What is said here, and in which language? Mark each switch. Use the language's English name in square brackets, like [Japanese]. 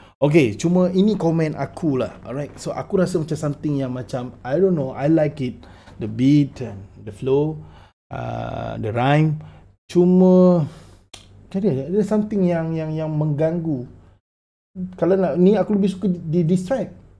[Malay] Okay, cuma ini komen akulah. [English] Alright, so [Malay] aku rasa macam [English] something [Malay] yang macam, [English] I don't know, I like it. The beat and the flow, the rhyme. [Malay] Cuma, ada something yang mengganggu. Kalau nak, ni aku lebih suka di distract.